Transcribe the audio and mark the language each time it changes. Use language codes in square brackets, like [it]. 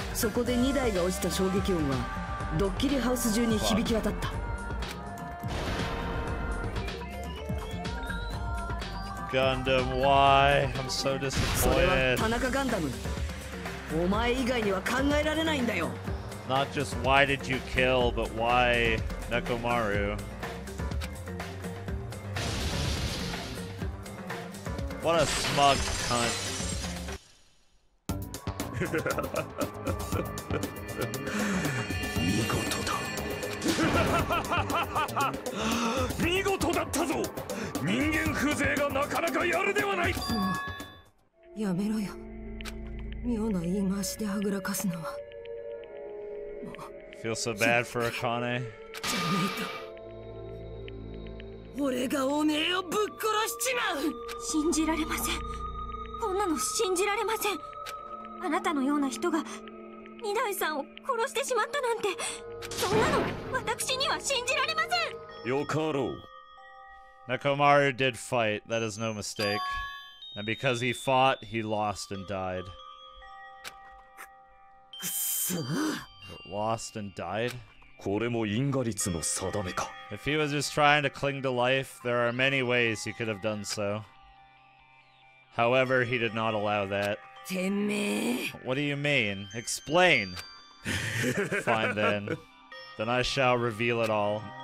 [ja] そこで2台が落ちた衝撃音はドッキリハウス中に響き渡った。 [en] ガンダム、 why? I'm so disappointed. [ja] それは田中ガンダム、お前以外には考えられないんだよ。 [en] Not just why did you kill, but why Nekomaru? What a smug cunt. [ja] Migoto da. Migoto datta zo. Ningen fuzei ga nakanaka yaru dewa nai. Yamero yo. 妙な言い回しではぐらかすのは。 [en] Feel so bad for Akane. [ja] じゃないと。俺がおめえをぶっ殺しちまう。信じられません。こんなの信じられません。あなたのような人が二代さんを殺してしまったなんて、そんなの私には信じられません。よかろう。 [en] Nekomaru did fight. That is no mistake. And because he fought, he lost and died. Lost and died? [ja] これも因果律の定めか。 [en] If he was just trying to cling to life, there are many ways he could have done so. However, he did not allow that. [ja] てめえ。 [en] What do you mean? Explain! Fine then. Then I shall reveal it all.